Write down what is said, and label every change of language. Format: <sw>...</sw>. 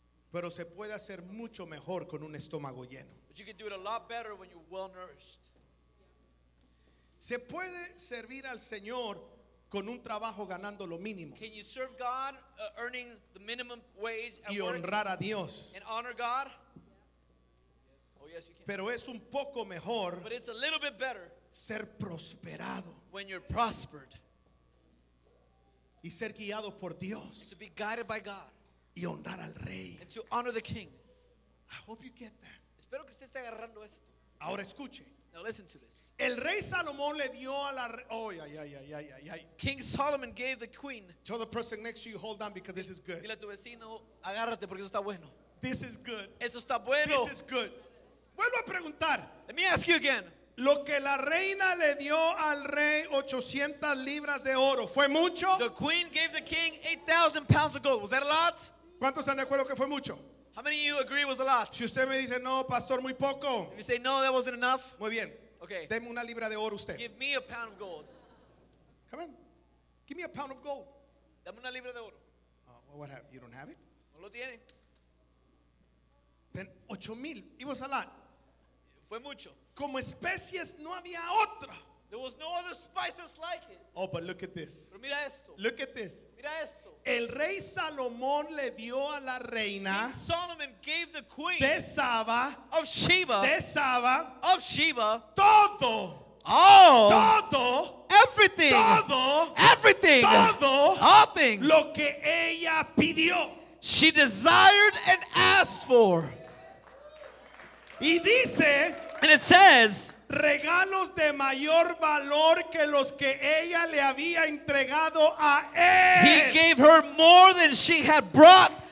<es>Pero se puede hacer mucho mejor con un estómago lleno.</es> <en>But you can do it a lot better when you're well nourished.</en> <es>Se puede servir al Señor con un trabajo ganando lo mínimo.</es> <en>Can you serve God earning the minimum wage</en> <es>y honrar a Dios?</es> <en>And honor God? Yeah. Oh, yes, you can.</en> <es>Pero es un poco mejor.</es> <en>But it's a little bit better.</en> <es>Ser prosperado.</es> <en>When you're prospered.</en> <es>Y ser guiado por Dios.</es> <en>And to be guided by God.</en> <es>Y honrar al rey.</es> <en>And to honor the king. I hope you get that.</en> <es>Espero que usted esté agarrando esto. Ahora escuche.</es> <en>Now listen to this.</en> <es>El rey Salomón le dio a la ay.</es> <en>King Solomon gave the queen. Tell the person next to you, hold on, because this is good.</en> <es>Dile a tu vecino, agárrate porque eso está bueno.</es> <en>This is good.</en> <es>Eso está bueno.</es> <en>This is good.</en> <es>Vuelvo a preguntar.</es> <en>Let me ask you again.</en> <es>Lo que la reina le dio al rey 800 libras de oro, ¿fue mucho?</es> <en>The queen gave the king 8,000 pounds of gold. Was that a lot?</en> <es>¿Cuántos están de acuerdo que fue mucho?</es> <en>How many of you agree it was a lot?</en> <es>Si usted me dice no, pastor, muy poco.</es> <en>If you say no, that wasn't enough.</en> <es>Muy bien.</es> <en>Okay.</en> <es>Deme una libra de oro usted.</es> <en>Give me a pound of gold. Come on. Give me a pound of gold.</en> <es>Dame una libra de oro.</es> <en>Well, what happened? You don't have it?</en> <es>No lo tiene.</es> <en>Then 8,000. It was a lot.</en> <es>Fue mucho. Como especies no había otra.</es> <en>There was no other spices like it. Oh, but look at this.</en> <es>Pero mira esto.</es> <en>Look at this.</en> <es>Mira esto. El rey Salomón le dio a la reina.</es> <en>King Solomon gave the queen.</en> <es>De Saba.</es> <en>Of Sheba.</en> <es>De Saba.</es> <en>Of Sheba.</en> <es>Todo.</es> <en>All.</en> <es>Todo.</es> <en>Everything.</en> <es>Todo.</es> <en>Everything.</en> <es>Todo.</es> <en>All things.</en> <es>Lo que ella pidió.</es> <en>She desired and asked for.</en> <es>Y dice.</es> <en>And it says.</en> <es>Regalos de mayor valor que los que ella le había entregado a él.</es> <en>He gave her more than she had brought</en>